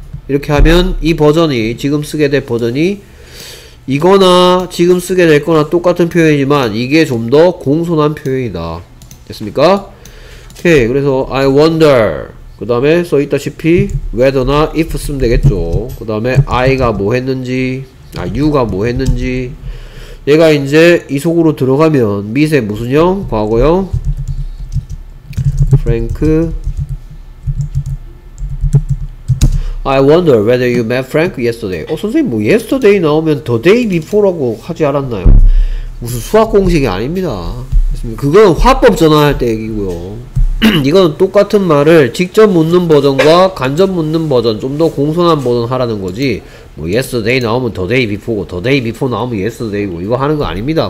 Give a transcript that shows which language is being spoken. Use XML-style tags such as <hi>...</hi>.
<ko>이렇게 하면 이 버전이 지금 쓰게 될 버전이 이거나 지금 쓰게 될 거나 똑같은 표현이지만 이게 좀 더 공손한 표현이다. 됐습니까? 오케이. 그래서 I wonder 그 다음에 써있다시피 whether나 if 쓰면 되겠죠. 그 다음에 I가 뭐 했는지 아 you가 뭐 했는지 얘가 이제 이 속으로 들어가면 미세 무슨 형?</ko> <en>과거형 Frank I wonder whether you met Frank yesterday.</en> <ko>어 선생님 뭐 yesterday 나오면 the day before라고 하지 않았나요? 무슨 수학 공식이 아닙니다. 그건 화법 전환할 때 얘기고요. 이건 똑같은 말을 직접 묻는 버전과 간접 묻는 버전 좀 더 공손한 버전 하라는 거지 뭐 yesterday 나오면 today before고 today before 나오면 yesterday고 이거 하는 거 아닙니다.</ko>